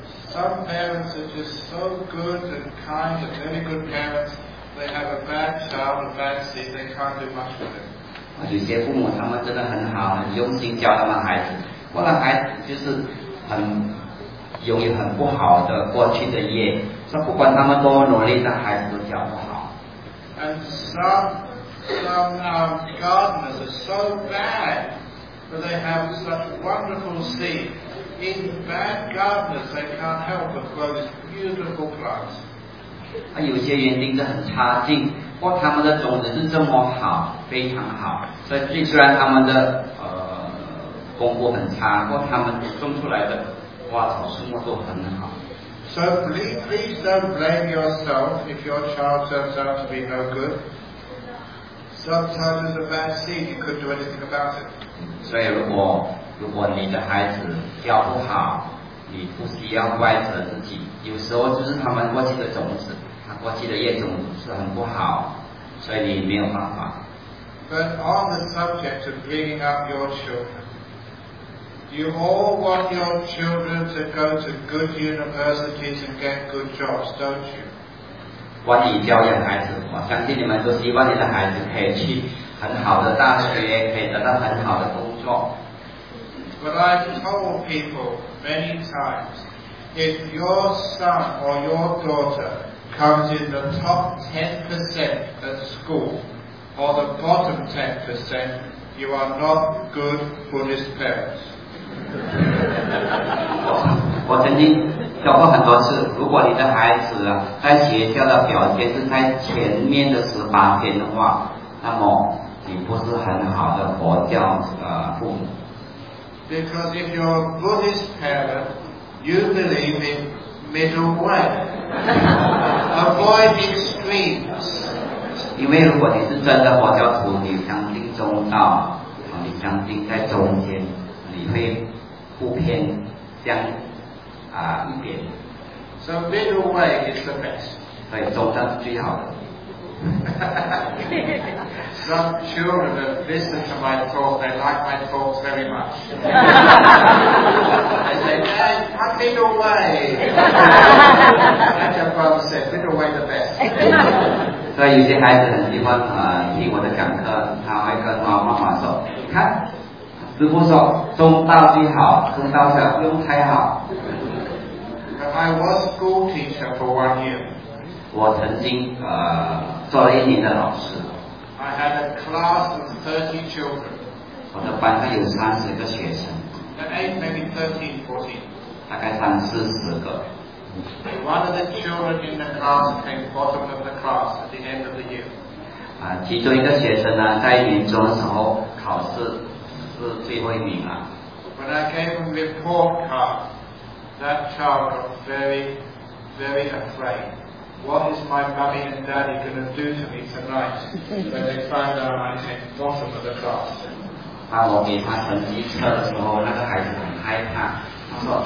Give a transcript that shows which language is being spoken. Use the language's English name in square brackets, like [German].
[English] Some parents are just so good and kind and very good parents, they have a bad child, a bad seed, they can't do much with it. [Chinese] 有些父母他们真的很好，很用心教他们孩子，不过孩子就是很拥有很不好的过去的业，所以不管他们多努力，但孩子都教不好。 [English] And some gardeners are so bad, but they have such wonderful seed. In bad gardeners, they can't help but grow these beautiful plants. [Chinese] 有些园丁是很差劲，不过他们的种子是这么好，非常好。所以虽然他们的功夫很差，不过他们种出来的花草树木都很好。 [English] So please don't blame yourself if your child turns out to be no good. Sometimes it's a bad seed, you couldn't do anything about it. [Chinese] 所以如果你的孩子教不好，你不需要怪责自己。有时候就是他们过去的种子，他过去的业种是很不好，所以你没有办法。 [English] But on the subject of bringing up your children, you all want your children to go to good universities and get good jobs, don't you? [Chinese] 关于教养孩子，我相信你们都希望你的孩子可以去很好的大学，可以得到很好的工作。 [English] But I've told people many times, if your son or your daughter comes in the top 10% at school, or the bottom 10%, you are not good Buddhist parents. [Chinese] 我曾经说过很多次，如果你的孩子在学校的表现是在前面的18%的话，那么你不是很好的佛教父母。 [English] Because if you're a Buddhist parent, you believe in middle way. Avoid extremes. [Chinese] 因为如果你是真的佛教徒，你相信中道，你相信在中间，你会不偏向一边。 [English] So middle way is the best. [Chinese] 所以中道是最好的。 [English] Some children that listen to my talk, they like my talks very much. They say, Dad, come middle way. That's what Father said, middle way the best. [Chinese] 所以有些孩子很喜欢听我的讲课，他会跟妈妈说，看，师父说中道最好，中道小不用太好。 [English] But I was school teacher for 1 year. [Chinese] 我曾经做了一年的老师。 [English] I had a class of 30 children. [Chinese] 我的班上有30个学生。 [English] Maybe 13, 14. [Chinese] 大概30-40个。 [English] One of the children in the class came bottom of the class at the end of the year. [Chinese] 其中一个学生呢，在年终的时候考试是最后一名啊。 [English] When I gave him the report card, that child was very, very afraid. What is my mummy and daddy going to do to me tonight when they find out I'm at the bottom of the class? [Chinese] 当我给他成绩册的时候，那个孩子很害怕，他